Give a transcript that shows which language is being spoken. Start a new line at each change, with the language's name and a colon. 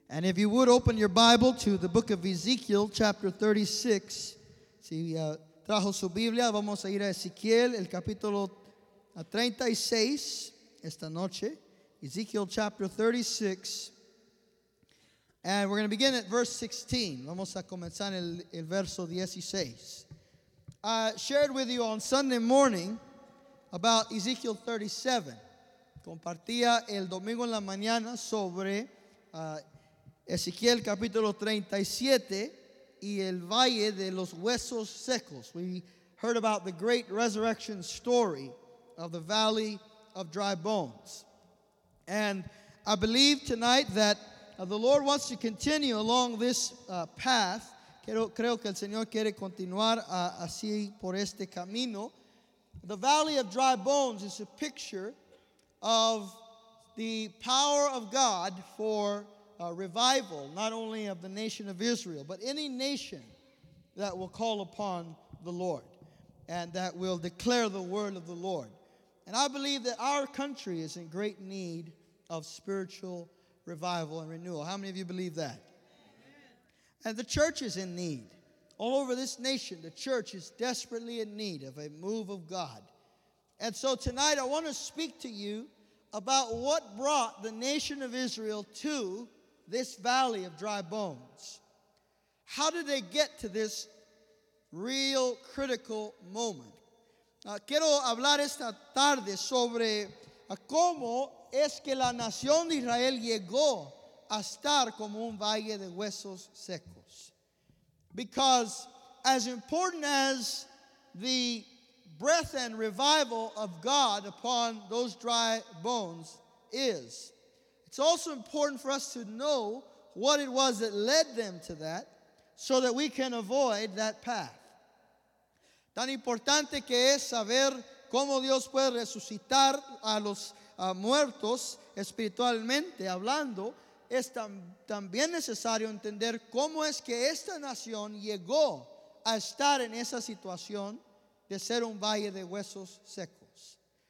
English: And if you would open your Bible to the book of Ezekiel, chapter 36.
Spanish: Si trajo su Biblia, vamos a ir a Ezequiel, el capítulo 36, esta noche.
English: Ezekiel, chapter 36. And we're going to begin at verse 16.
Spanish: Vamos a comenzar en el verso 16.
English: I shared with you on Sunday morning about Ezekiel 37.
Spanish: Compartía el domingo en la mañana sobre Ezequiel capítulo 37 y el valle de los huesos secos.
English: We heard about the great resurrection story of the valley of dry bones. And I believe tonight that the Lord wants to continue along this path.
Spanish: Creo que el Señor quiere continuar así por este camino.
English: The valley of dry bones is a picture of the power of God for revival, not only of the nation of Israel, but any nation that will call upon the Lord and that will declare the word of the Lord. And I believe that our country is in great need of spiritual revival and renewal. How many of you believe that? Amen. And the church is in need. All over this nation, the church is desperately in need of a move of God. And so tonight I want to speak to you about what brought the nation of Israel to this valley of dry bones. How did they get to this real critical moment?
Spanish: Quiero hablar esta tarde sobre cómo es que la nación de Israel llegó a estar como un valle de huesos secos.
English: Because as important as the breath and revival of God upon those dry bones is, it's also important for us to know what it was that led them to that so that we can avoid that path.
Spanish: Tan importante que es saber cómo Dios puede resucitar a los muertos espiritualmente hablando, es también necesario entender cómo es que esta nación llegó a estar en esa situación de ser un valle de huesos secos.